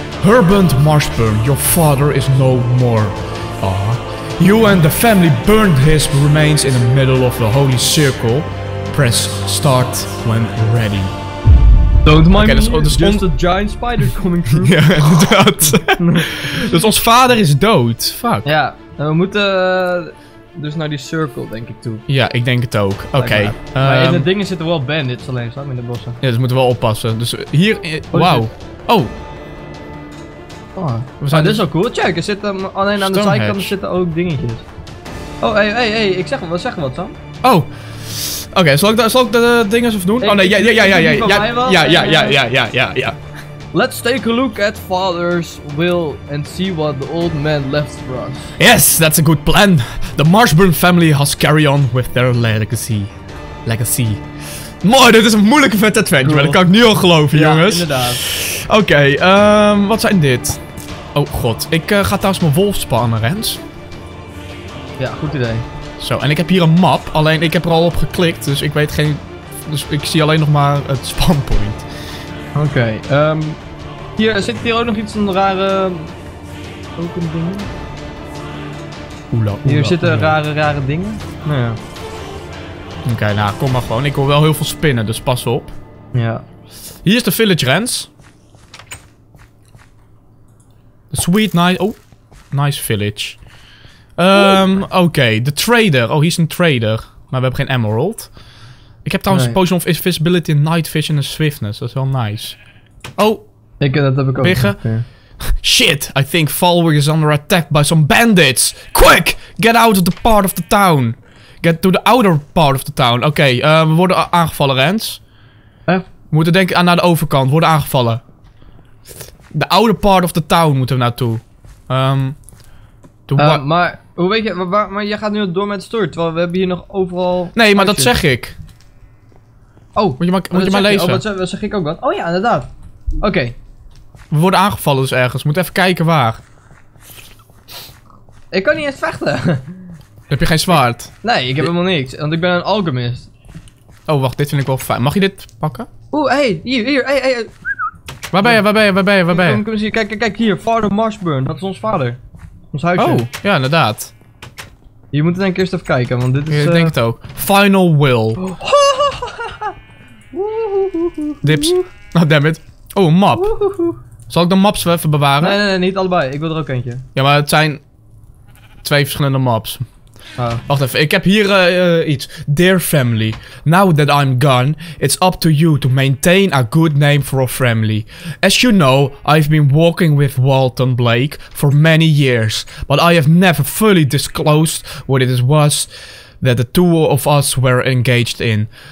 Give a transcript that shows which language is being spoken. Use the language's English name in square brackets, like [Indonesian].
[English] Herbert Marshburn, your father is no more. You and the family burned his remains in the middle of the holy circle. Press start when ready. Don't mind me, just a giant spider coming through. [Dutch] Ja, inderdaad. Dus ons vader is dood, fuck. Ja, en we moeten dus naar die circle denk ik toe. Ja, ik denk het ook. Oké. Okay. Maar in de dingen zitten wel bandits alleen, staan in de bossen. Ja, dus moeten we wel oppassen. Dus hier, wauw. Oh. Maar dit is wel cool, check. Er zitten alleen aan Stonehenge. De zijkanten zitten ook dingetjes. Oh, hey, ik zeg wat, Sam. Oh. Oké, okay, zal ik de dingen of doen? Hey, oh nee, ja. [English] Let's take a look at father's will and see what the old man left for us. Yes, that's a good plan. The Marshburn family has carried on with their legacy. [Dutch] Mooi, dit is een moeilijke vet adventure, cool. Dat kan ik niet al geloven, ja, jongens. Ja, inderdaad. Oké, okay, wat zijn dit? Oh god, ik ga trouwens mijn wolf spannen, Rens. Ja, goed idee. Zo, en ik heb hier een map, alleen ik heb er al op geklikt, dus ik weet geen. Dus ik zie alleen nog maar het spawnpoint. Oké, Hier, zit hier ook nog iets van de rare... ook een ding? Oela, hier oela, zitten oela. Rare dingen. Nou ja. Oké, okay, nou, kom maar gewoon. Ik hoor wel heel veel spinnen, dus pas op. Ja. Hier is de Village Rens. [English] The sweet nice... Oh, nice village. [Dutch] Oké. De trader. Oh, hier is een trader. Maar we hebben geen emerald. Ik heb trouwens een potion of invisibility, night vision en swiftness. Dat is wel nice. Oh. Ik, dat heb ik ook. Biggen. [English] Shit, I think Falwig is under attack by some bandits. Quick, get out of the part of the town. Get to the outer part of the town. [Dutch] Oké, we worden aangevallen, Rens. We moeten denken aan naar de overkant. We worden aangevallen. [English] The outer part of the town [Dutch] moeten we naartoe. Maar hoe weet je, maar jij gaat nu door met stort, terwijl we hebben hier nog overal... Nee, maar dat zeg ik. Oh, moet je maar lezen. Oh, wat zeg ik ook wat? Oh ja, inderdaad. Oké. We worden aangevallen dus ergens. Moet even kijken waar. Ik kan niet eens vechten. Heb je geen zwaard? Nee, ik heb helemaal niks. Want ik ben een alchemist. Oh, wacht. Dit vind ik wel fijn. Mag je dit pakken? Oeh, hey. Hier. Hey. Waar ben je? Kom eens hier. Kijk hier. Father Marshburn. Dat is ons vader. Ons huisje. Oh, ja, inderdaad. Je moet het denk ik eerst even kijken, want dit is... Ja, ik denk het ook. Final Will. Dips. Oh, damn it. Oh, een map. Zal ik de maps wel even bewaren? Nee, niet allebei. Ik wil er ook eentje. Ja, maar het zijn twee verschillende maps. Oh. Wacht even, ik heb hier iets. [English] Dear family, now that I'm gone, it's up to you to maintain a good name for our family. As you know, I've been walking with Walton Blake for many years, but I have never fully disclosed what it was that the two of us were engaged in.